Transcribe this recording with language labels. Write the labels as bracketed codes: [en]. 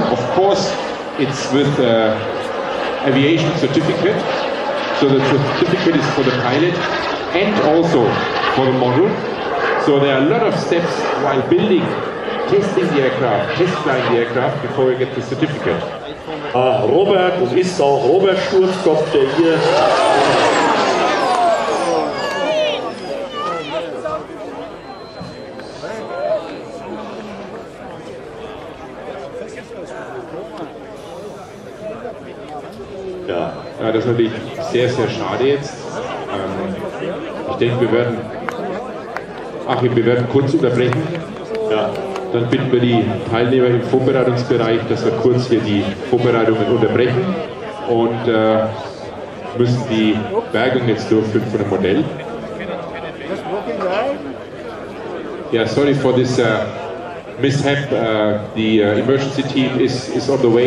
[en] Of course, it's with aviation certificate, so the certificate is for the pilot and also for the model. So there are a lot of steps while building, testing the aircraft, test flying the aircraft before you get the certificate. [de] Robert, es ist auch Robert Sturzkopf, der hier. Ja, das ist natürlich sehr, sehr schade jetzt. Ich denke, wir werden. Achim, wir werden kurz unterbrechen. Ja. Dann bitten wir die Teilnehmer im Vorbereitungsbereich, dass wir kurz hier die Vorbereitungen unterbrechen und müssen die Bergung jetzt durchführen von dem Modell. [en] Ja, sorry for this mishap. The emergency team is on the way.